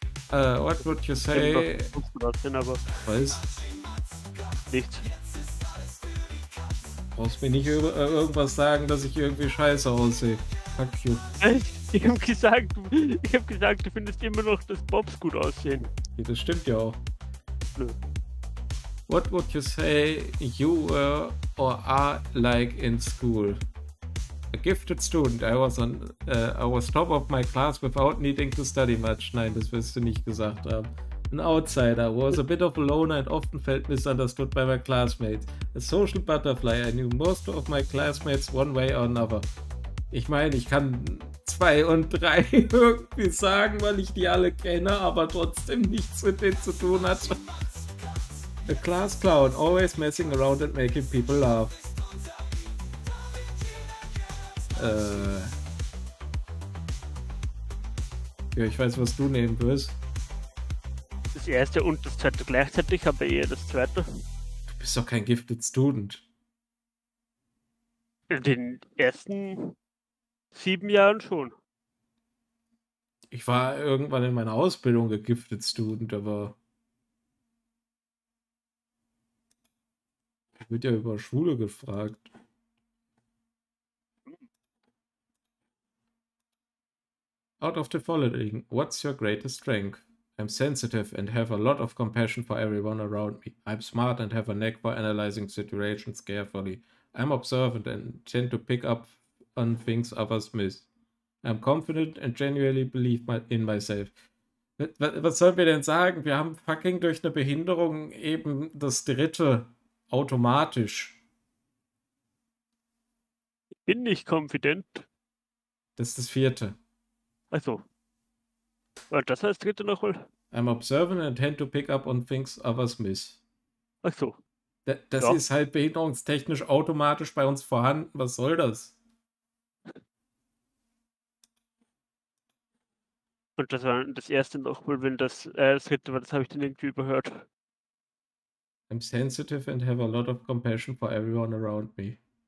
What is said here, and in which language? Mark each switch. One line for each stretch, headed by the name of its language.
English: What would you say?
German: Was? Nichts. Brauchst mir nicht irgendwas sagen, dass ich irgendwie scheiße aussehe.
English: Fuck you.
German: Ich hab gesagt, du findest immer noch, dass Bobs gut aussehen. Ja, das stimmt ja auch. Nö.
English: What would you say you were or are like in school? A gifted student. I was top of my class without needing to study much.
German: Nein, das wirst du nicht gesagt haben.
English: An outsider was a bit of a loner and often felt misunderstood by my classmates. A social butterfly. I knew most of my classmates one way or another.
German: Ich meine, ich kann 2 und 3 irgendwie sagen, weil ich die alle kenne, aber trotzdem nichts mit denen zu tun hat.
English: A class clown, always messing around and making people laugh.
German: Ja, ich weiß, was du nehmen wirst. Das erste und das zweite gleichzeitig, aber eher das zweite. Du bist doch kein gifted student. Den ersten 7 Jahren schon. Ich war irgendwann in meiner Ausbildung gegifted student, aber ich wird ja über Schule gefragt.
English: Out of the following, what's your greatest strength? I'm sensitive and have a lot of compassion for everyone around me. I'm smart and have a knack for analyzing situations carefully. I'm observant and tend to pick up on things others miss. I'm confident and genuinely believe in myself.
German: Was sollen wir denn sagen? Wir haben fucking durch eine Behinderung eben das dritte automatisch. Ich bin nicht confident. Das ist das vierte. Also, das heißt, dritte nochmal.
English: I'm observant and tend to pick up on things others miss.
German: Ach so. Das ja. Ist halt behinderungstechnisch automatisch bei uns vorhanden. Was soll das? Und das war das erste nochmal, wenn das dritte war, das habe ich dann irgendwie überhört.
English: I'm sensitive and have a lot of compassion for everyone around me.